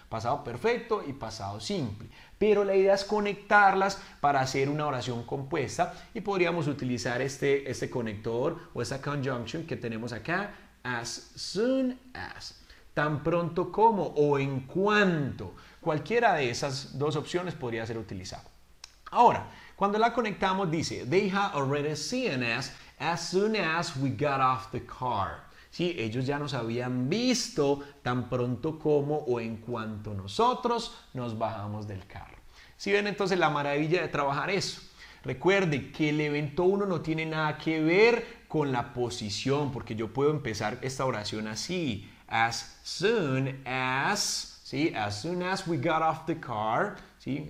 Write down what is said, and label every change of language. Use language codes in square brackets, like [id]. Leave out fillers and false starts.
[es] Pasado perfecto y pasado simple. Pero la idea es conectarlas para hacer una oración compuesta. Y podríamos utilizar este conector o esta conjunction que tenemos acá. [en] As soon as. [es] Tan pronto como o en cuanto. Cualquiera de esas dos opciones podría ser utilizada. Ahora, cuando la conectamos dice, [en] they had already seen us as soon as we got off the car. [es] Sí, ellos ya nos habían visto tan pronto como o en cuanto nosotros nos bajamos del carro. ¿Sí ven entonces la maravilla de trabajar eso? Recuerde que el evento 1 no tiene nada que ver con la posición, porque yo puedo empezar esta oración así, [en] as soon as, [es] ¿sí? [en] As soon as we got off the car, ¿sí?